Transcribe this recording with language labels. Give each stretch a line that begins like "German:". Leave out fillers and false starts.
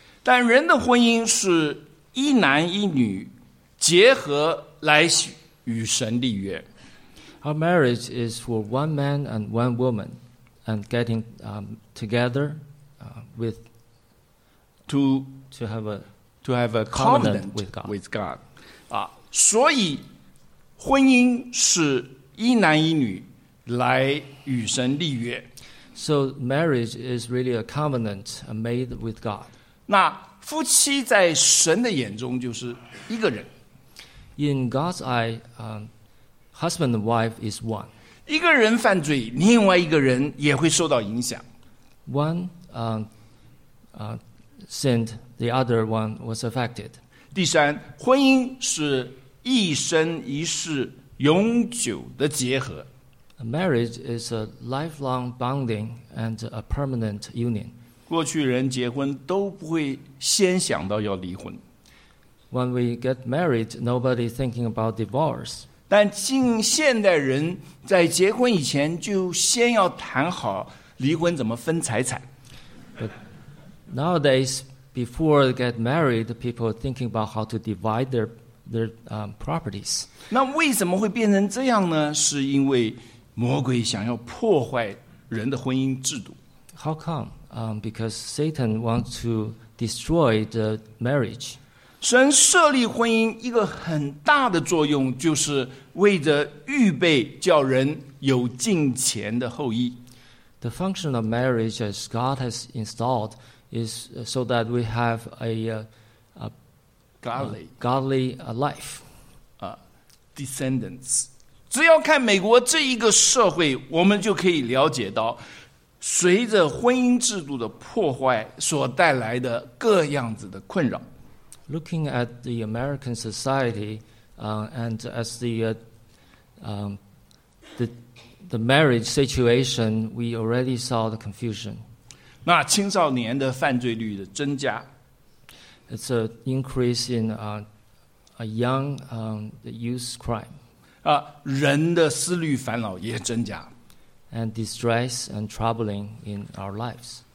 Chinese: 但人的婚姻是一男一女结合来与神立约。
English: Our marriage is for one man and one woman and getting together to have a covenant with God.
Chinese: 啊，所以婚姻是一男一女来与神立约。
English: So marriage is really a covenant made with God.
Chinese: 那夫妻在神的眼中就是一个人。
English: In God's eye, husband and wife is one.
Chinese: 一个人犯罪，另外一个人也会受到影响。
English: One sinned, the other one was affected.
Chinese: 第三，婚姻是一生一世永久的结合。
English: A marriage is a lifelong bonding and a permanent union.
Chinese: 过去人结婚都不会先想到要离婚。
English: When we get married, nobody thinking about divorce.
Chinese: 但近现代人在结婚以前就先要谈好离婚怎么分财产。
English: But nowadays, before get married, people thinking about how to divide their properties.
Chinese: 那为什么会变成这样呢？是因为魔鬼想要破坏人的婚姻制度。
English: How come? Because Satan wants to destroy the marriage.
Chinese: 神设立婚姻一个很大的作用，就是为着预备叫人有敬虔的后裔。
English: The function of marriage as God has installed is so that we have a godly life. Descendants.
Chinese: 只要看美国这一个社会，我们就可以了解到随着婚姻制度的破坏所带来的各样子的困扰。
English: Looking at the American society, and as the marriage situation, we already saw the confusion.
Chinese: 那青少年的犯罪率的增加。
English: It's an increase in a young youth crime.
Chinese: 人的思虑烦恼也增加。
English: And distress and troubling in our lives.